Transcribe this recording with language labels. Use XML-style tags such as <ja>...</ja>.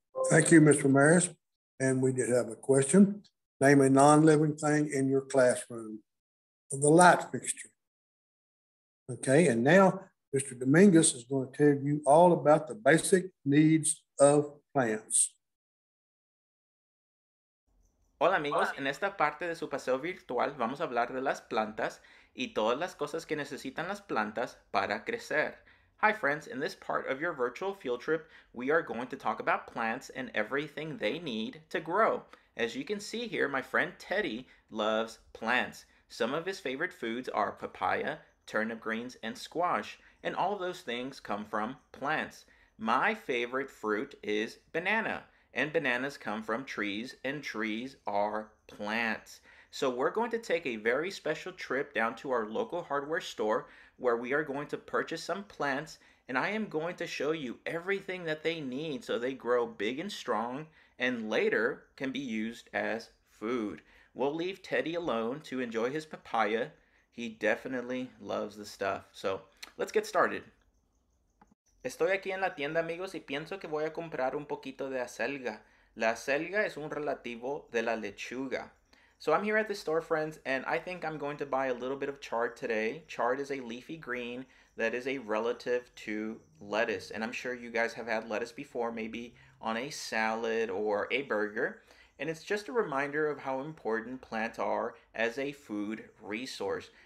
<en>Thank you, Ms. Ramirez. And we did have a question. Name a non-living thing in your classroom. The light fixture. Okay, and now Mr. Dominguez is going to tell you all about the basic needs of plants.</en> <es>Hola amigos, en esta parte de su paseo virtual vamos a hablar de las plantas y todas las cosas que necesitan las plantas para crecer.</es> <en>Hi friends, in this part of your virtual field trip, we are going to talk about plants and everything they need to grow. As you can see here, my friend Teddy loves plants. Some of his favorite foods are papaya, turnip greens, and squash, and all of those things come from plants. My favorite fruit is banana, and bananas come from trees, and trees are plants. So we're going to take a very special trip down to our local hardware store where we are going to purchase some plants, and I am going to show you everything that they need so they grow big and strong and later can be used as food. We'll leave Teddy alone to enjoy his papaya. He definitely loves the stuff. So let's get started.</en> <es>Estoy aquí en la tienda, amigos, y pienso que voy a comprar un poquito de acelga. La acelga es un relativo de la lechuga.</es> <en>So I'm here at the store, friends, and I think I'm going to buy a little bit of chard today. Chard is a leafy green that is a relative to lettuce. And I'm sure you guys have had lettuce before, maybe on a salad or a burger. And it's just a reminder of how important plants are as a food resource.</en>